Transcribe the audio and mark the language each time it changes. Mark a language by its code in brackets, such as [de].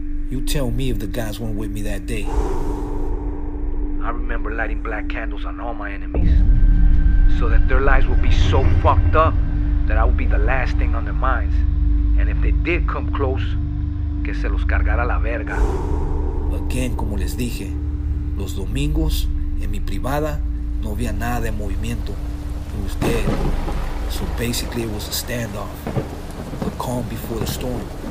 [en] You tell me if the guys weren't with me that day. I remember lighting black candles on all my enemies, so that their lives would be so fucked up that I would be the last thing on their minds. And if they did come close, [es] que se los cargara la verga. Again, como les dije, los domingos, en mi privada, no había nada de movimiento. [en] It was dead. So basically it was a standoff, the calm before the storm.